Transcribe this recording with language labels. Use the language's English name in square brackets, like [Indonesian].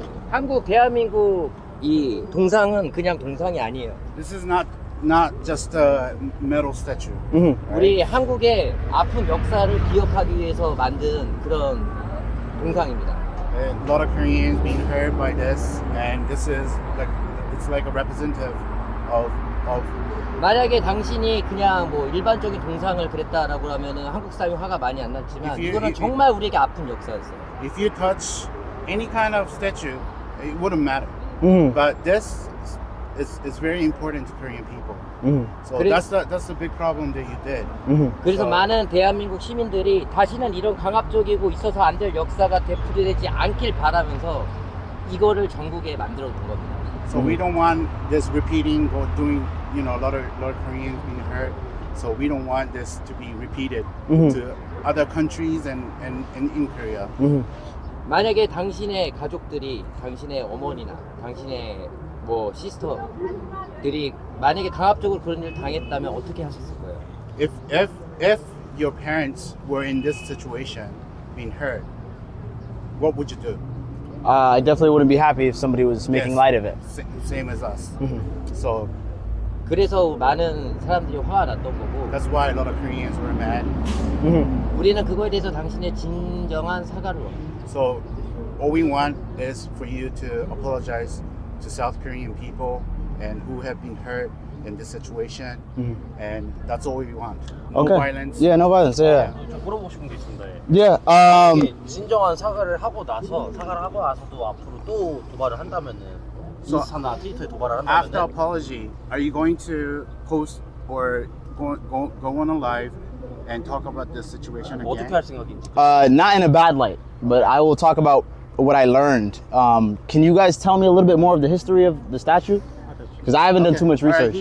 [Korean] 한국 대한민국 이 동상은 그냥 동상이 아니에요. [English] This is not just a metal statue. [Korean] 우리 한국의 아픈 역사를 기억하기 위해서 만든 그런 동상입니다. [English] A lot of Koreans being hurt by this, and this is like it's like a representative of. [Korean] 만약에 당신이 그냥 뭐 일반적인 동상을 그렸다라고 하면은 한국 사람이 화가 많이 안 났지만 이거는 정말 우리에게 아픈 역사였어요. [English] If you touch any kind of statue, it wouldn't matter. But this is very important to Korean people. So [Korean] 그래, [English] that's the big problem that you did. [Korean] 그래서 많은 대한민국 시민들이 다시는 이런 강압적이고 있어서 안 될 역사가 되풀이되지 않길 바라면서 이거를 전국에 만들어 둔 겁니다. [English] So we don't want this repeating or doing, you know, a lot of Koreans being hurt. So we don't want this to be repeated to other countries and in Korea. [Korean] 만약에 당신의 가족들이, 당신의 어머니나 당신의 뭐 시스터들이 만약에 강압적으로 그런 일을 당했다면 어떻게 하셨을 거예요? [English] If your parents were in this situation, being hurt, what would you do? I definitely wouldn't be happy if somebody was making light of it. Same as us. So [Korean] 그래서 많은 사람들이 화가 났던 거고. [English] That's why a lot of Koreans were mad. [Korean] 우리는 그거에 대해서 당신의 진정한 사과를 원. [English] So all we want is for you to apologize to South Korean people and who have been hurt in this situation. And that's all we want. No violence. Yeah, no violence. Yeah. [Korean] 좀 물어보고 싶은 게 있습니다. [English] Yeah. [Korean] 진정한 사과를 하고 나서 사과를 하고 나서도 앞으로 또 도발을 한다면은 인스타나 트위터에 도발을 한다면 [English] After apology, are you going to post or go on a live and talk about this situation again? [Korean] 어떻게 할 생각인지. [English] Not in a bad light. But I will talk about what I learned. Can you guys tell me a little bit more of the history of the statue? Because I haven't done too much research.